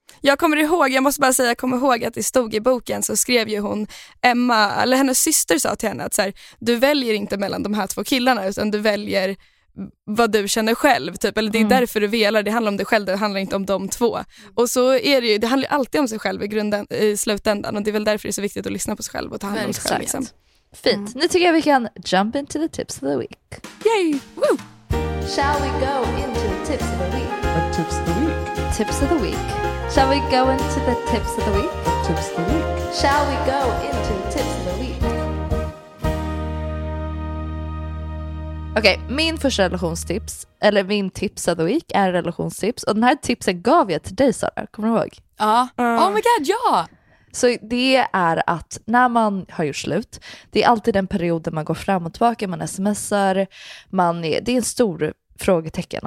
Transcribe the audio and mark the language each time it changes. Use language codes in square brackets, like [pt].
[sv] Jag kommer ihåg, jag måste bara säga, jag kommer ihåg att det stod i boken så skrev ju hon, Emma, eller hennes syster sa till henne att så här, du väljer inte mellan de här 2 killarna utan du väljer vad du känner själv, typ, eller det är därför du velar, det handlar om dig själv, det handlar inte om de 2. Och så är det ju, det handlar ju alltid om sig själv i slutändan och det är väl därför det är så viktigt att lyssna på sig själv och ta hand om sig själv. Liksom. Fint, nu tycker jag vi kan [en] jump into the tips of the week. Yay! Woo! Shall we go into the tips of the week? The tips of the week? Tips of the week. Shall we go into the tips of the week? The tips of the week. Shall we go into the tips of the week? [sv] Okej, min första relationstips, eller min [en] tips of the week [sv] är relationstips. Och den här tipsen gav jag till dig, Sara, kommer du ihåg? Ja. [en] Oh my god, [sv] ja! Så det är att när man har gjort slut, det är alltid den perioden man går fram och tillbaka, man smsar, det är en stor frågetecken.